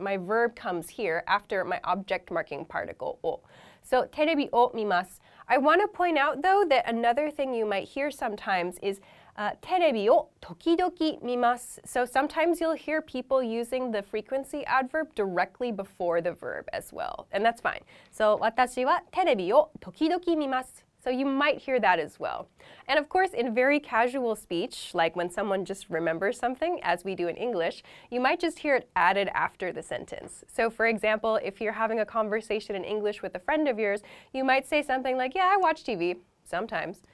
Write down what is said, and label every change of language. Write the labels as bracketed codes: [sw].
[en] My verb comes here after my object marking particle を. [ja] So テレビを見ます. [en] I want to point out though that another thing you might hear sometimes is [ja] テレビを時々見ます. [en] So sometimes you'll hear people using the frequency adverb directly before the verb as well. And that's fine. [ja] So 私はテレビを時々見ます. [en] So you might hear that as well. And of course, in very casual speech, like when someone just remembers something, as we do in English, you might just hear it added after the sentence. So for example, if you're having a conversation in English with a friend of yours, you might say something like, yeah, I watch TV. Sometimes.